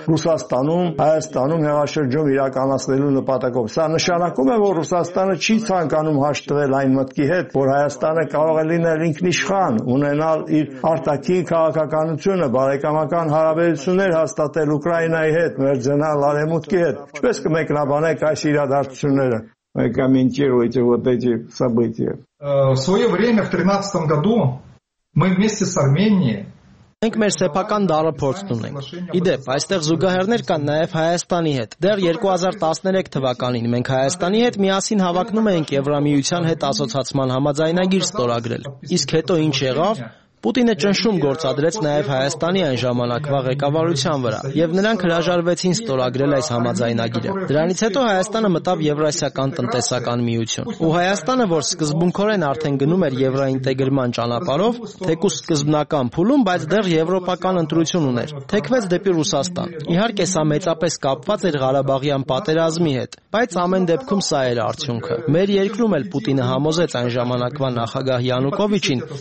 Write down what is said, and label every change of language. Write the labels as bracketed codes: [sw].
[hy] Ռուսաստանում, Հայաստանում հեղաշրջում իրականացնելու նպատակով։ Սա նշանակում է, որ Հայաստանը չի ցանկանում հաշտվել այն մտքի հետ, որ Հայաստանը կարող է լինել ինքնիշխան, ունենալ իր արտաքին քաղաքականությունը, բարեկամական հարաբերություններ հաստատել Ուկրաինայի հետ, մերձենալ արևմուտքի հետ։ Ինչպես կմեկնաբանեք այս իրադարձությունները, [ru] կոմենտիրուете вот эти события? В своё время в 13 году мы вместе с Арменией [hy] Մենք մեր սեփական դարը փորձում ենք։ Իդեպ, այստեղ զուգահեռներ կան նաև Հայաստանի հետ։ Դեռ 2013 թվականին մենք Հայաստանի հետ միասին հավակնում էինք Եվրամիության հետ ասոցացման համաձայնագիր ստորագրել։ Իսկ հետո ինչ եղավ։ Պուտինը ճնշում գործադրեց նաև Հայաստանի այն ժամանակվա ղեկավարության վրա, եւ նրանք հրաժարվեցին ստորագրել այս համաձայնագիրը։ Դրանից հետո Հայաստանը մտավ Եվրասիական տնտեսական միություն, ու Հայաստանը, որ սկզբունքորեն արդեն գնում էր եվրոինտեգրման ճանապարհով, թեկուզ սկզբնական փուլում, բայց դեռ եվրոպական ընտրություն ուներ, թեկվեց դեպի Ռուսաստան։ Իհարկե սա մեծապես կապված էր Ղարաբաղյան պատերազմի հետ, բայց ամեն դեպքում սա էր արդյունքը։ Մեր երկրում էլ Պուտինը համոզեց այն ժամանակվա նախագահ Յանուկովիչին